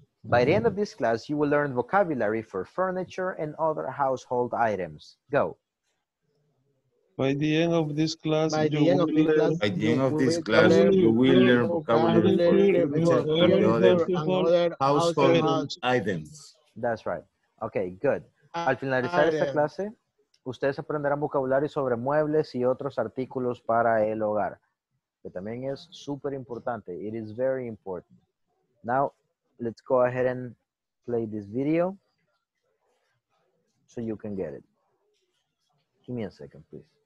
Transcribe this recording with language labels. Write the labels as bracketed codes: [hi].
[en] By the end of this class, you will learn vocabulary for furniture and other household items. Go. By the end of this class, you will learn vocabulary for other household items. That's right. Okay, good. [es] Al finalizar esta clase, ustedes aprenderán vocabulario sobre muebles y otros artículos para el hogar, que también es súper importante. [en] It is very important. Now, let's go ahead and play this video so you can get it. Give me a second, please.